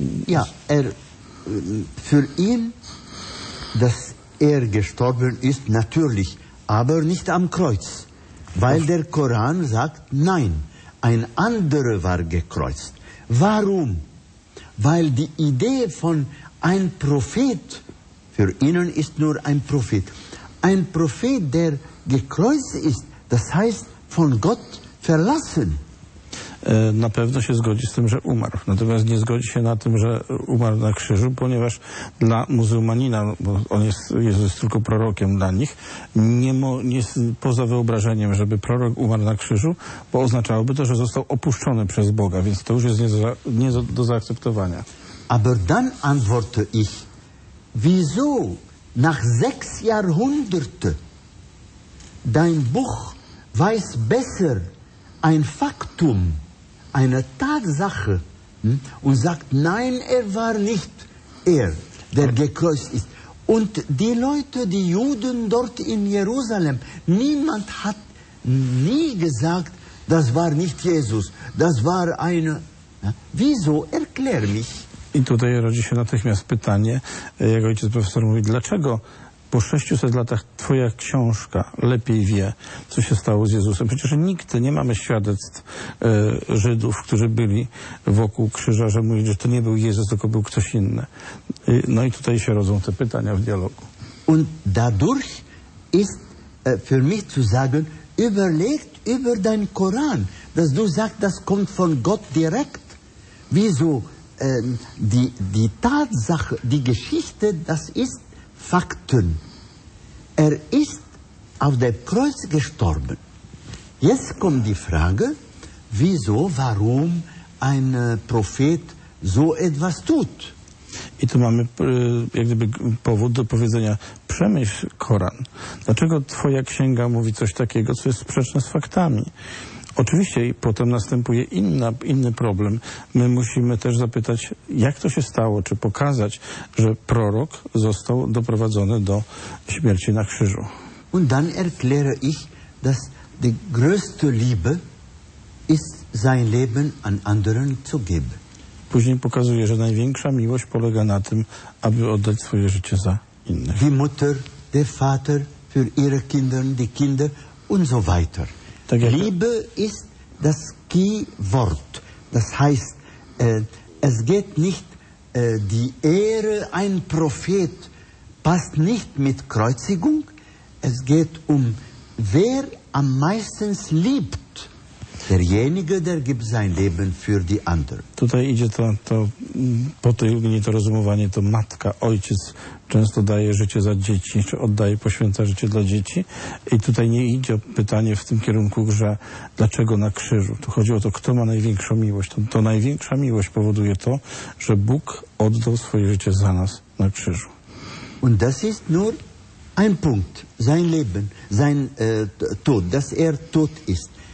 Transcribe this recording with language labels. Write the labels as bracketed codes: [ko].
[de] Ja, für ihn, dass er gestorben ist, natürlich, aber nicht am Kreuz, weil der Koran sagt, nein, ein anderer war gekreuzt. Warum? Weil die Idee von ein Prophet, für ihnen ist nur ein Prophet, der gekreuzt ist, das heißt, von Gott verlassen. [pl] Na pewno się zgodzi z tym, że umarł. Natomiast nie zgodzi się na tym, że umarł na krzyżu, ponieważ dla muzułmanina, bo on jest, Jezus jest tylko prorokiem dla nich, nie poza wyobrażeniem, żeby prorok umarł na krzyżu, bo oznaczałoby to, że został opuszczony przez Boga, więc to już jest nie do zaakceptowania. [de] Aber dann antworte ich, wieso nach sechs Jahrhunderte dein Buch weiß besser ein Faktum, eine Tatsache, und sagt, nein, er war nicht er, der gekreuzt ist. Und die Leute, die Juden dort in Jerusalem, niemand hat nie gesagt, das war nicht Jesus, das war eine... Wieso? Erklär mich. [pl] I tutaj rodzi się natychmiast pytanie, jak ojciec profesor mówi, dlaczego po 600 latach twoja książka lepiej wie, co się stało z Jezusem. Przecież nigdy nie mamy świadectw Żydów, którzy byli wokół krzyża, że mówili, że to nie był Jezus, tylko był ktoś inny. No i tutaj się rodzą te pytania w dialogu. [de] Und dadurch ist für mich zu sagen, überlegt über dein Koran, dass du sagst, das kommt von Gott direkt. Wieso die Tatsache, die Geschichte, das ist Fakten. Er ist auf dem Kreuz gestorben. Jetzt kommt die Frage, wieso, warum ein Prophet so etwas tut. [pl] I tu mamy jak gdyby powód do powiedzenia, przemyśl Koran. Dlaczego twoja księga mówi coś takiego, co jest sprzeczne z faktami? Oczywiście potem następuje inny problem. My musimy też zapytać, jak to się stało, czy pokazać, że prorok został doprowadzony do śmierci na krzyżu. [de] Und dann erkläre ich, dass die größte Liebe ist, sein Leben an anderen zu geben. [pl] Później pokazuje, że największa miłość polega na tym, aby oddać swoje życie za innych. [de] Die Mutter, der Vater für ihre Kinder, die Kinder und so weiter. [pl] Tak jak... [de] Liebe ist das Keyword. Das heißt, es geht nicht die Ehre, ein Prophet passt nicht mit Kreuzigung. Es geht um, wer am meisten liebt. Derjenige, der gibt sein Leben für die anderen. [pl] Tutaj idzie to po tej linii to rozumowanie, to matka, ojciec często daje życie za dzieci, czy oddaje, poświęca życie dla dzieci. I tutaj nie idzie pytanie w tym kierunku, że dlaczego na krzyżu. Tu chodzi o to, kto ma największą miłość. To największa miłość powoduje to, że Bóg oddał swoje życie za nas na krzyżu. [de] Und das ist nur ein Punkt, sein Leben, sein Tod, dass er tot ist.